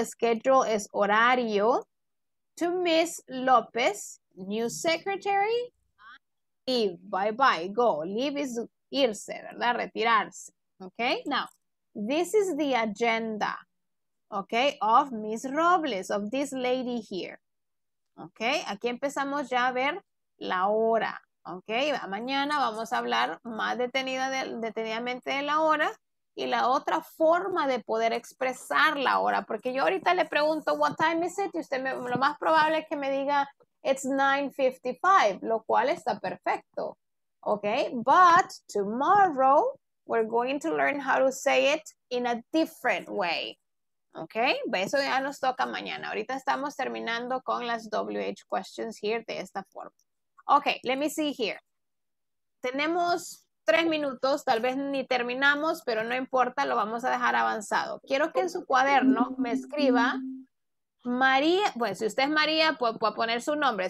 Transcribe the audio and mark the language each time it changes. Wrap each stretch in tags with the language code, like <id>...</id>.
<en>Schedule</en> <es>es horario</es> <en>to Miss Lopez, new secretary. Leave, bye bye, go. Leave is irse,</en> <es>¿verdad? Retirarse.</es> <en>Okay, now, this is the agenda, okay, of Miss Robles, of this lady here.</en> <es>Okay, aquí empezamos ya a ver la hora. Okay, mañana vamos a hablar más detenidamente de la hora y la otra forma de poder expresar la hora. Porque yo ahorita le pregunto,</es> <en>what time is it?</en> <es>Y usted lo más probable es que me diga,</es> <en>it's 9:55,</en> <es>lo cual está perfecto, okay?</es> <en>But tomorrow, we're going to learn how to say it in a different way, okay?</en> <es>Eso ya nos toca mañana. Ahorita estamos terminando con las WH questions here de esta forma. Okay,</es> <en>let me see here.</en> <es>Tenemos 3 minutos, tal vez ni terminamos, pero no importa, lo vamos a dejar avanzado. Quiero que en su cuaderno me escriba María, bueno, si usted es María, puede poner su nombre.</es>